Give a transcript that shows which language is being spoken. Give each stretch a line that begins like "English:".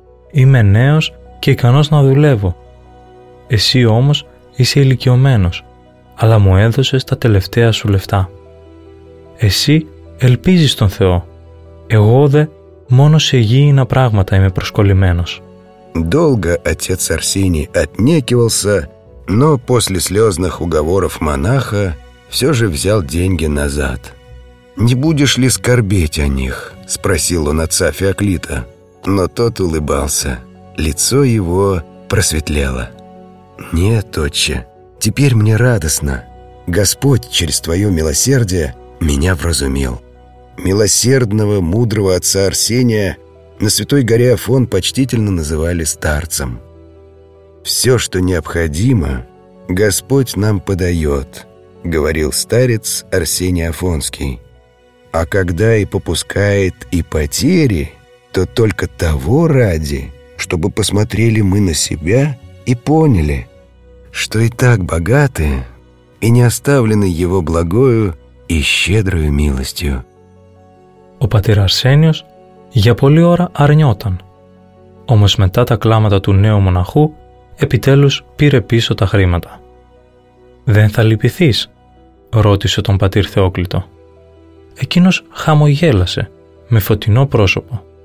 Greek: Είμαι νέος και ικανός να δουλεύω. Εσύ όμως είσαι ηλικιωμένος, αλλά μου έδωσες τα τελευταία σου λεφτά. Εσύ ελπίζεις τον Θεό. Εγώ δε μόνο σε γήινα πράγματα είμαι προσκολλημένος».
Russian: Долго отец Арсений отнекивался, но после слезных уговоров монаха все же взял деньги назад. «Не будешь ли скорбеть о них?» – спросил он отца Феоклита. Но тот улыбался. Лицо его просветлело. «Нет, отче, теперь мне радостно. Господь через твое милосердие меня вразумил. Милосердного, мудрого отца Арсения на Святой горе Афон почтительно называли старцем. Все, что необходимо, Господь нам подает», — говорил старец Арсений Афонский. «А когда и попускает и потери, то только того ради, чтобы посмотрели мы на себя и поняли, что и так богаты и не оставлены его благою и щедрою милостью».
Greek: Ο πατήρ Αρσένιος για πολλή ώρα αρνιόταν. Όμως μετά τα κλάματα του νέου μοναχού, επιτέλους πήρε πίσω τα χρήματα. «Δεν θα λυπηθείς?» ρώτησε τον πατήρ Θεόκλητο. Εκείνος χαμογέλασε με φωτεινό πρόσωπο.